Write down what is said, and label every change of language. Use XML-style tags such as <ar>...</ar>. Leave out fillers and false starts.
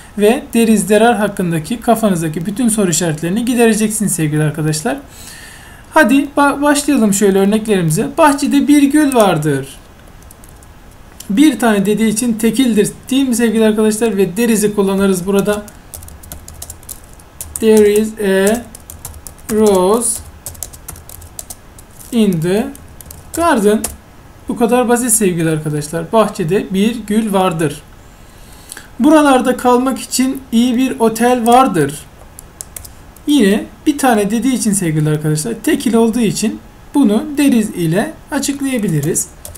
<tr>Ve there is there are hakkındaki kafanızdaki bütün soru işaretlerini gidereceksiniz sevgili arkadaşlar. Hadi başlayalım şöyle örneklerimize. Bahçede bir gül vardır. Bir tane dediği için tekildir değil mi sevgili arkadaşlar? Ve there is'i kullanırız burada.</tr> <en>There is a rose in the garden.</en> <tr>Bu kadar basit sevgili arkadaşlar. Bahçede bir gül vardır. Buralarda kalmak için iyi bir otel vardır. Yine bir tane dediği için sevgili arkadaşlar, tekil olduğu için bunu there is ile açıklayabiliriz.</tr>